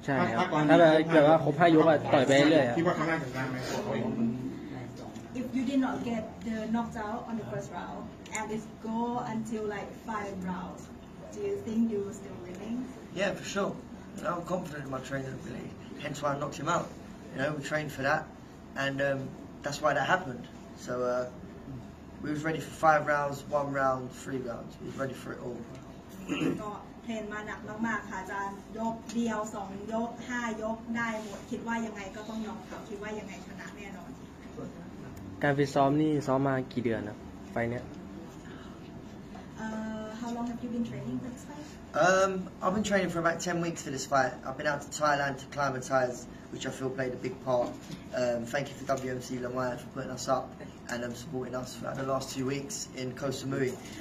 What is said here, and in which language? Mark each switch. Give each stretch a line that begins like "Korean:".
Thai: ใช่ครับถ้าเกิดว่าครบ5ยกอ่ะต่อยไปเรื่อยอ่ะ คิดว่าครั้งแรกจะได้มั้ย
English: If you did not get the knocked out on the first round and it go until like 5 rounds, do you think you were still winning? Yeah, for sure. I'm confident in my training ability, hence why I knocked him out. You know, we trained for that and that's why that happened. So we was ready for 5 rounds, 1 round, 3 rounds. We was ready for it all.
Thai: ก็เทรนมาหนักมากๆค่ะอาจารย์ยกเดียว2ยก5ยกได้หมดคิดว่ายังไงก็ต้องยอมครับคิดว่ายังไงชนะแน่นอน การฝึกซ้อมนี่ซ้อมมากี่เดือนนะไฟเนี้ย
English: How long have you been training for this fight? I've been training for about 10 weeks for this fight. I've been out to Thailand to climatize, which I feel played a big part. Thank you for WMC Lamai for putting us up and supporting us for the last 2 weeks in Koh Samui.